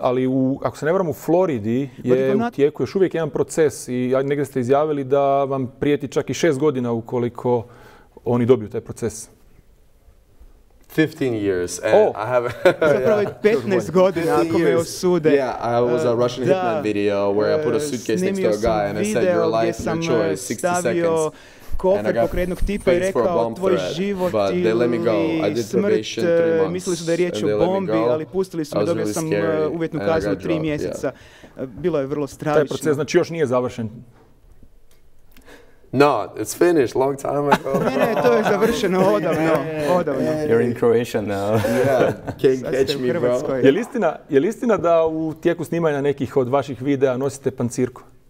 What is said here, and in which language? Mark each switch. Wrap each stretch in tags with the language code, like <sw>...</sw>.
<hr>Ali ako se ne varam, u Floridi je u tijeku još uvijek jedan proces i negdje ste izjavili da vam prijeti čak i 6 godina ukoliko oni dobiju taj proces.</hr> <en>15 years.</en> <hr>Zapravo 15 godina ako me osude.</hr> <en>Yeah, I was a Russian hitman video where I put a suitcase next to a guy and I said your life, your choice, 60 seconds.</en> <hr>Kofer pokre jednog tipa i rekao tvoj život ili smrt. Mislili su da je riječ o bombi, ali pustili su me, dobio sam uvjetnu kaznu 3 mjeseca. Bilo je vrlo stravično. Taj proces znači još nije završen.</hr> <en>No, it's finished, long time ago.</en> <hr>Ne, to je završeno odavno.</hr> <en>You're in Croatia now. Yeah, can't catch me, bro.</en> <hr>Je li istina da u tijeku snimanja nekih od vaših videa nosite pancirku?</hr>